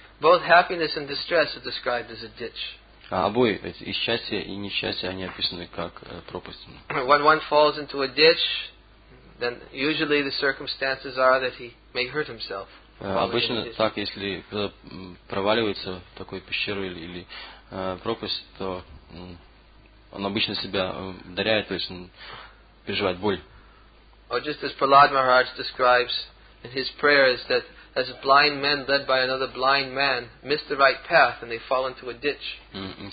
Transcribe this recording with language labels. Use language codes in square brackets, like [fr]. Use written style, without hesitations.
[en] Both happiness and distress are described as a ditch. [ru] Обои, и счастье, и несчастье, они описаны как пропасть. [en] When one falls into a ditch, then usually the circumstances are that he may hurt himself. [ru] Обычно так, если кто-то проваливается в такую пещеру или пропасть, то он обычно себя ударяет, то есть он переживает боль. [en] Or just as Prahlad Maharaj describes in his prayers that as blind men led by another blind man miss the right path and they fall into a ditch.